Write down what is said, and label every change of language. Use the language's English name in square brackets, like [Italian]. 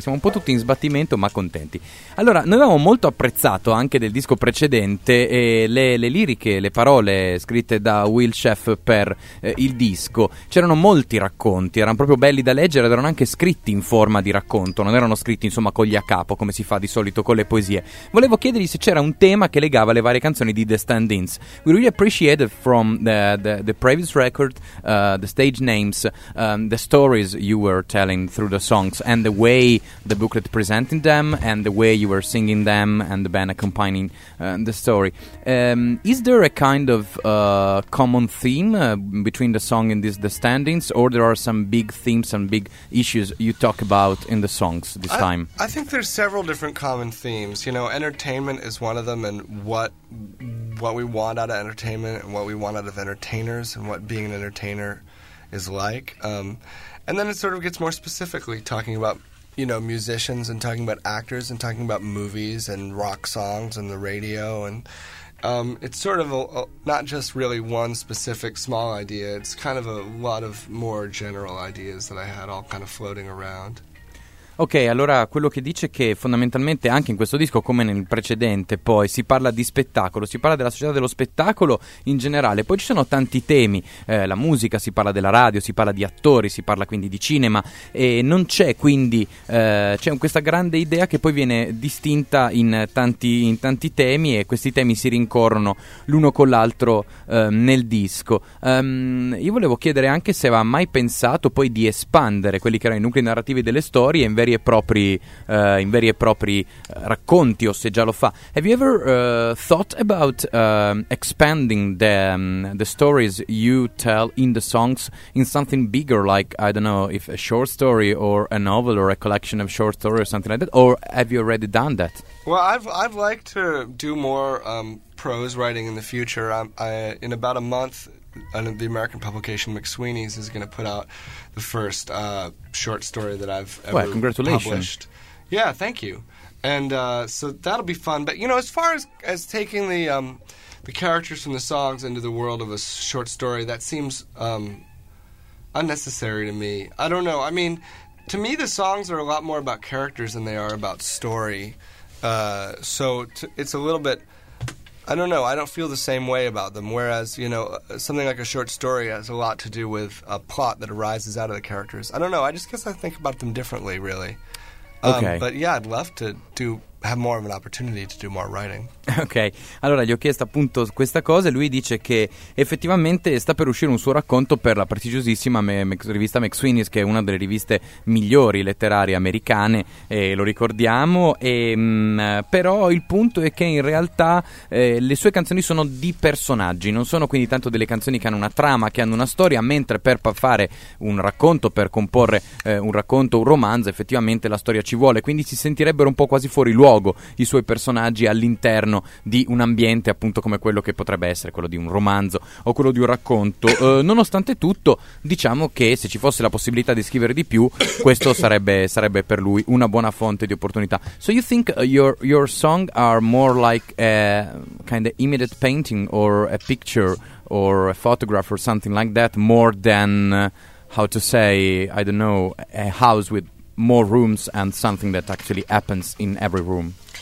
[Italian] Siamo un po' tutti in sbattimento, ma contenti. Allora, noi avevamo molto apprezzato anche del disco precedente le liriche, le parole scritte da Will Sheff per il disco. C'erano molti racconti, erano proprio belli da leggere ed erano anche scritti in forma di racconto, non erano scritti insomma con gli a capo come si fa di solito con le poesie. Volevo chiedergli se c'era un tema che legava le varie canzoni di The Stand-ins. [English] We really appreciate from the previous record, the stage names, the stories you were telling through the songs and the way the booklet presenting them and the way you were singing them and the band accompanying the story. Is there a kind of common theme between the song and the Stand-ins, or there are some big themes and big issues you talk about in the songs this time? I think there's several different common themes. You know, entertainment is one of them, and what we want out of entertainment and what we want out of entertainers and what being an entertainer is like. And then it sort of gets more specifically talking about, you know, musicians and talking about actors and talking about movies and rock songs and the radio and... it's sort of not just really one specific small idea. It's kind of a lot of more general ideas that I had all kind of floating around. [Italian] Ok, allora quello che dice è che fondamentalmente anche in questo disco, come nel precedente, poi si parla di spettacolo, si parla della società dello spettacolo in generale, poi ci sono tanti temi, la musica, si parla della radio, si parla di attori, si parla quindi di cinema, e non c'è quindi, c'è questa grande idea che poi viene distinta in tanti temi, e questi temi si rincorrono l'uno con l'altro nel disco. Io volevo chiedere anche se aveva mai pensato poi di espandere quelli che erano i nuclei narrativi delle storie in veri e propri racconti, o se già lo fa. [English] Have you ever thought about expanding the stories you tell in the songs in something bigger, like, I don't know, if a short story or a novel or a collection of short stories or something like that, or have you already done that? Well, I've liked to do more prose writing in the future. In about a month, and the American publication McSweeney's is going to put out the first short story that I've ever published. Well, congratulations. Yeah, thank you. And so that'll be fun. But, you know, as far as taking the characters from the songs into the world of a short story, that seems unnecessary to me. I don't know. I mean, to me, the songs are a lot more about characters than they are about story. It's a little bit... I don't know. I don't feel the same way about them. Whereas, you know, something like a short story has a lot to do with a plot that arises out of the characters. I don't know. I just guess I think about them differently, really. Okay. But yeah, I'd love to do... have more of an opportunity to do more writing. [Italian] Ok, allora gli ho chiesto appunto questa cosa e lui dice che effettivamente sta per uscire un suo racconto per la prestigiosissima rivista McSweeney's, che è una delle riviste migliori letterarie americane, lo ricordiamo, e, però il punto è che in realtà le sue canzoni sono di personaggi, non sono quindi tanto delle canzoni che hanno una trama, che hanno una storia, mentre per fare un racconto, per comporre un racconto, un romanzo, effettivamente la storia ci vuole, quindi si sentirebbero un po' quasi fuori luogo i suoi personaggi all'interno di un ambiente appunto come quello che potrebbe essere quello di un romanzo o quello di un racconto. Nonostante tutto, diciamo che se ci fosse la possibilità di scrivere di più, questo sarebbe per lui una buona fonte di opportunità. [English] So you think your song are more like a kind of immediate painting or a picture or a photograph or something like that, more than how to say, I don't know, a house with more rooms and something that actually happens in every room?